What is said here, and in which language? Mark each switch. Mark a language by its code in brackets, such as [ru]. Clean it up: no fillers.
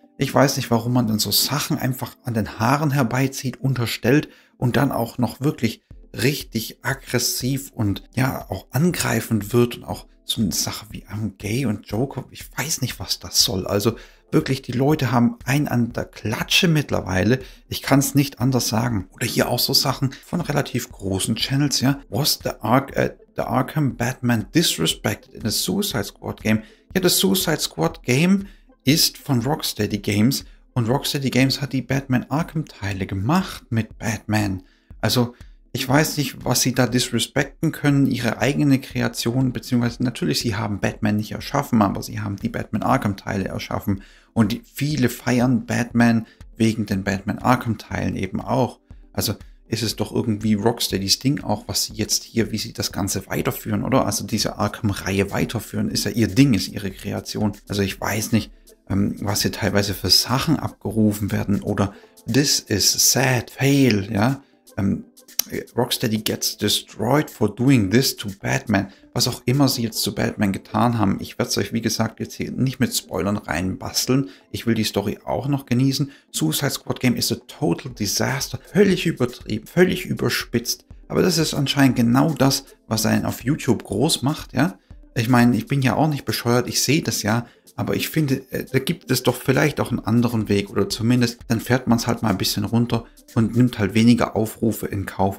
[de] Ich weiß nicht, warum man dann so Sachen einfach an den Haaren herbeizieht, unterstellt und dann auch noch wirklich richtig aggressiv und ja, auch angreifend wird und auch so eine Sache wie [en] I'm gay [de] und Joker. Ich weiß nicht, was das soll. Also wirklich, die Leute haben einen an der Klatsche mittlerweile. Ich kann es nicht anders sagen. Oder hier auch so Sachen von relativ großen Channels, ja. [en] Was the Arc at The Arkham Batman disrespected in a Suicide Squad Game. [de] Ja, das Suicide Squad Game ist von Rocksteady Games und Rocksteady Games hat die Batman Arkham Teile gemacht mit Batman. Also Ich weiß nicht, was sie da disrespekten können, ihre eigene Kreation, beziehungsweise natürlich, sie haben Batman nicht erschaffen, aber sie haben die Batman Arkham Teile erschaffen und viele feiern Batman wegen den Batman Arkham Teilen eben auch. Also ist es doch irgendwie Rocksteadys Ding auch, was sie jetzt hier, wie sie das Ganze weiterführen, oder? Also diese Arkham-Reihe weiterführen, ist ja ihr Ding, ist ihre Kreation. Also ich weiß nicht, was hier teilweise für Sachen abgerufen werden oder [en] this is sad, fail, [de] ja. [en] Rocksteady gets destroyed for doing this to Batman. [de] Was auch immer sie jetzt zu Batman getan haben, ich werde es euch, wie gesagt, jetzt hier nicht mit Spoilern reinbasteln. Ich will die Story auch noch genießen. [en] Suicide Squad Game is a total disaster. [de] Völlig übertrieben, völlig überspitzt. Aber das ist anscheinend genau das, was einen auf YouTube groß macht, ja? Ich meine, ich bin ja auch nicht bescheuert, ich sehe das ja. Aber ich finde, da gibt es doch vielleicht auch einen anderen Weg oder zumindest, dann fährt man es halt mal ein bisschen runter und nimmt halt weniger Aufrufe in Kauf.